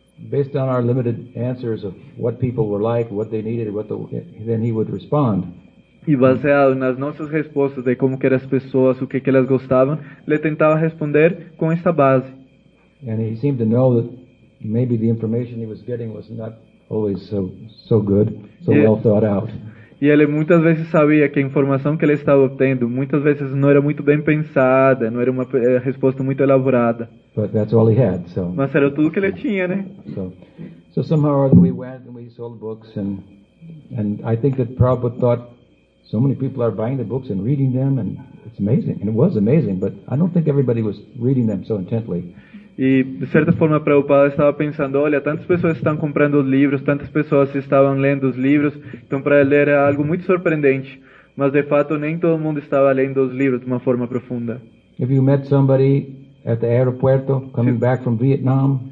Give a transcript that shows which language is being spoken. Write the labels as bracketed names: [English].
[English] Based on our limited answers of what people were like, what they needed, then he would respond. [Portuguese] E baseado nas nossas respostas de como que eram as pessoas, o que elas gostavam, ele tentava responder com essa base. [English] And he seemed to know that maybe the information he was getting was not always so good, so well thought out. [Portuguese] E ele muitas vezes sabia que a informação que ele estava obtendo muitas vezes não era muito bem pensada, não era uma resposta muito elaborada. [English] But that's all he had, so. [Portuguese] Mas era tudo que ele tinha, né? [English] So somehow we went and we sold books and I think that Prabhupada thought So many people are buying the books and reading them, and it's amazing. And it was amazing, but I don't think everybody was reading them so intently. [Portuguese] E de certa forma Prabhupada estava pensando, olha, tantas pessoas estão comprando os livros, tantas pessoas estavam lendo os livros, então para ele era algo muito surpreendente, mas de fato nem todo mundo estava lendo os livros de uma forma profunda. [English] If you met somebody at the aeroporto coming back from Vietnam,